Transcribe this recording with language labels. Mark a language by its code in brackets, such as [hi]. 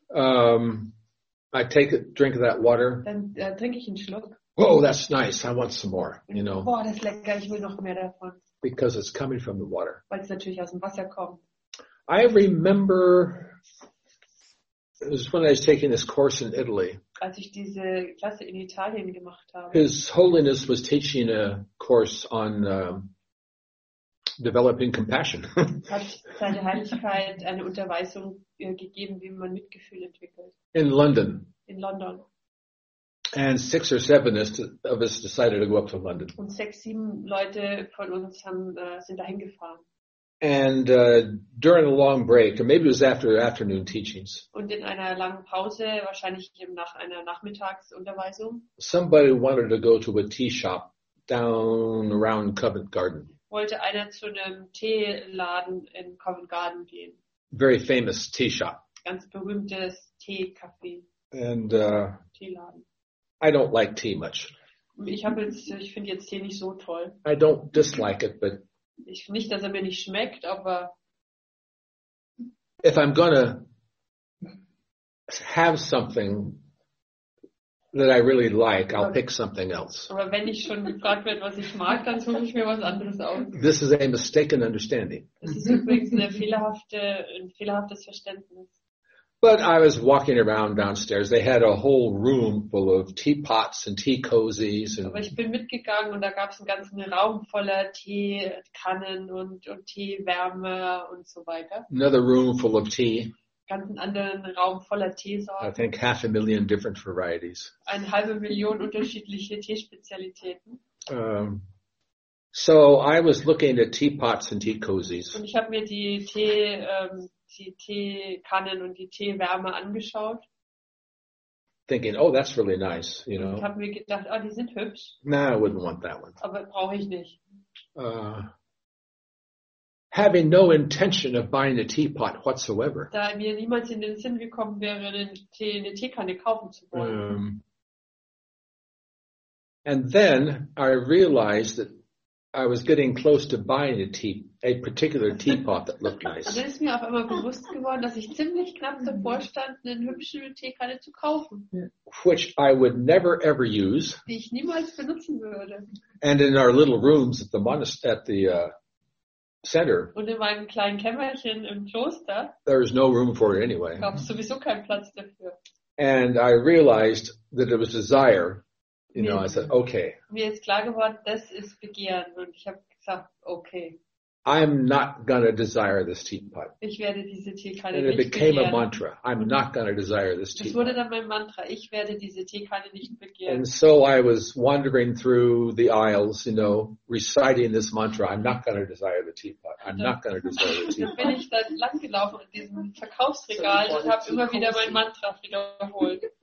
[en] I take a drink of that water. [de] Dann trinke ich einen Schluck. [en] Whoa, that's nice. I want some more. You know. [de] Boah, das ist lecker. Ich will noch mehr davon. [en] Because it's coming from the water. [de] Weil es natürlich aus dem Wasser kommt. [en] I remember it was when I was taking this course in Italy. [de] Als ich diese Klasse in Italien gemacht habe. [en] His Holiness was teaching a course on developing compassion. [de] Hat seine Heiligkeit eine Unterweisung gegeben, wie man Mitgefühl entwickelt. [en] In London. [de] In London. [en] And 6 or 7 of us decided to go up to London. [de] Und 6, 7 Leute von uns haben sind dahin gefahren. [en] And during a long break, or maybe it was after afternoon teachings. [de] Und in einer langen Pause, wahrscheinlich eben nach einer Nachmittagsunterweisung. [en] Somebody wanted to go to a tea shop down around Covent Garden. [de] Wollte einer zu einem Teeladen in Covent Garden gehen. [en] Very famous tea shop. [de] Ganz berühmtes Teekaffee. [en] And [de] Teeladen. [en] I don't like tea much. [de] Ich finde jetzt Tee nicht so toll. [en] I don't dislike it, but [de] ich finde nicht, dass er mir nicht schmeckt, aber [en] if I'm gonna have something that I really like, I'll pick something else. [de] Aber wenn ich schon gefragt werde, was ich mag, dann suche ich mir was anderes aus. [en] This is a mistaken understanding. [de] Das ist übrigens ein fehlerhaftes Verständnis. [en] But I was walking around downstairs. They had a whole room full of teapots and tea cozies. [de] Aber ich bin mitgegangen und da gab es einen ganzen Raum voller Teekannen und Teewärme und so weiter. [en] Another room full of tea. [de] Ganzen anderen Raum voller Teesorten. [en] I think 500,000 different varieties. [de] 500,000 unterschiedliche Teespezialitäten. [en] So I was looking at teapots and tea cozies. [de] Und ich habe mir die Teekannen und die Teewärme angeschaut. [en] Thinking, oh, that's really nice, you know. [de] Ich habe mir gedacht, oh, die sind hübsch. [en] Nah, I wouldn't want that one. [de] Aber brauche ich nicht. [en] Having no intention of buying a teapot whatsoever. [de] Da mir niemals in den Sinn gekommen wäre, eine Teekanne kaufen zu wollen. [en] And then I realized that I was getting close to buying a particular teapot that looked nice. [de] Dann ist mir auf einmal bewusst geworden, dass ich ziemlich knapp davor stand, eine hübsche Teekanne zu kaufen. [en] Which I would never ever use. [de] Die ich niemals benutzen würde. [en] And in our little rooms at the center. [de] Und in meinem kleinen Kämmerchen im Kloster. [en] There is no room for it anyway. [de] Gab sowieso keinen Platz dafür. [en] And I realized that it was desire. I said, okay. [de] Mir ist klar geworden, das ist Begehren. Und ich habe gesagt, okay. [en] I'm not gonna desire this teapot. [de] Ich werde diese Teekanne nicht begehren. [en] It became a mantra. I'm not gonna desire this teapot. [de] Es wurde dann mein Mantra. Ich werde diese Teekanne nicht begehren. [en] And so I was wandering through the aisles, reciting this mantra. I'm not gonna desire the teapot. I'm not gonna desire the teapot. [de] Dann bin ich dann langgelaufen in diesem Verkaufsregal und habe immer wieder mein Mantra wiederholt.